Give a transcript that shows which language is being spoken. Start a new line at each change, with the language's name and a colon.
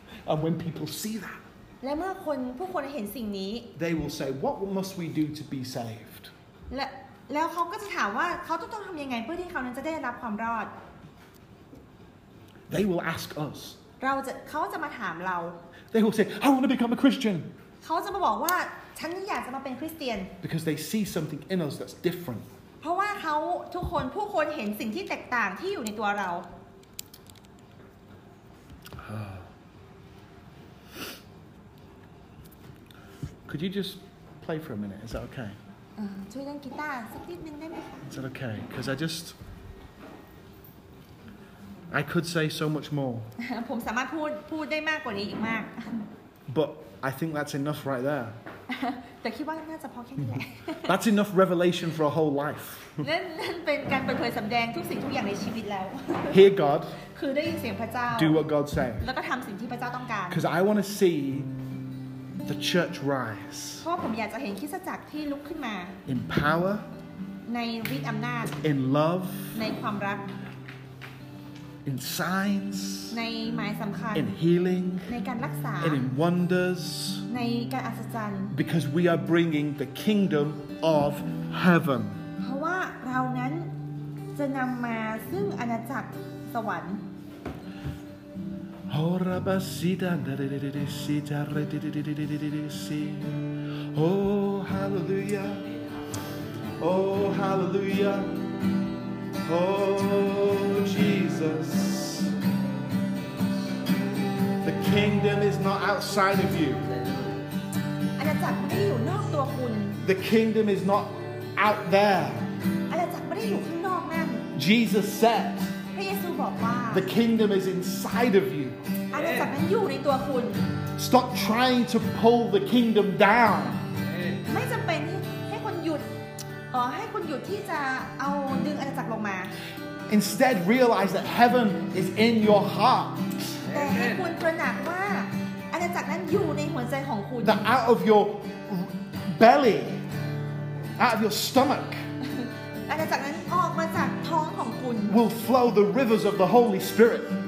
English: And when people see that
Thai: และเมื่อคนผู้คนเห็นสิ่งนี้
English: They will say what must we do to be saved
Thai: และแล้วเขาก็จะถามว่าเขาต้องทำยังไงเพื่อที่เขานั้นจะได้รับความรอด
English: They will ask us
Thai: เราจะเขาจะมาถามเรา
English: They will say I want to become a Christian
Thai: เขาจะมาบอกว่าฉันอยากจะมาเป็นคริสเตียน
English: Because they see something in us that's different
Thai: เพราะว่าเขาทุกคนผู้คนเห็นสิ่งที่แตกต่างที่อยู่ในตัวเรา
English: Could you just play for a minute? Is that okay?
Thai: ช่วยเล่นกีตาร์สักนิดนึงได้ไหมคะ
English: Is that okay? Because I could say so much more.
Thai: ผมสามารถพูดได้มากกว่านี้อีกมาก
English: But I think that's enough right there.
Thai: แต่คิดว่าน่าจะพอแค่นี้แหละ
English: That's enough revelation for a whole life.
Thai: นั่นเป็นการเปิดเผยสำแดงทุกสิ่งทุกอย่างในชีวิตแล้ว
English: Hear God.
Thai: คือได้ยินเสียงพระเจ้า
English: Do what God says.
Thai: แล้วก็ทำสิ่งที่พระเจ้าต้องการ
English: Because I want to see. The church rise.
Thai: เพราะผมอยากจะเห็นคริสตจักรที่ลุกขึ้นมา
English: In power.
Thai: ในฤทธิ์อำนาจ
English: In love.
Thai: ในความรัก
English: In signs.
Thai: ในหมายสำคัญ
English: In healing.
Thai: ในการรักษา
English: And in wonders.
Thai: ในการอัศจรรย์
English: Because we are bringing the kingdom of heaven.
Thai: เพราะว่าเรานั้นจะนำมาซึ่งอาณาจักรสวรรค์ Ora basita dadidididi si taridididididi si
English: Oh hallelujah Oh hallelujah Oh Jesus The kingdom is not outside of you
Thai: อาณาจักรไม่ได้อยู่นอกตัวคุณ
English: The kingdom is not out there
Thai: อาณาจักรไม่ได้อยู่ข้างนอกนั่น
English: Jesus said
Thai: พระเยซูบอกว่า
English: The kingdom is inside of youStop trying to pull the kingdom down.
Thai: ไม่จำเป็นให้คุณหยุดให้คุณหยุดที่จะเอาดึงอาณาจักรลงมา
English: Instead, realize that heaven is in your heart.
Thai: แต่ให้คุณตระหนักว่าอาณาจักรนั้นอยู่ในหัวใจของคุณ
English: That out of your belly, out of your stomach,
Thai: อาณาจักรนั้นออกมาจากท้องของคุณ
English: will flow the rivers of the Holy Spirit.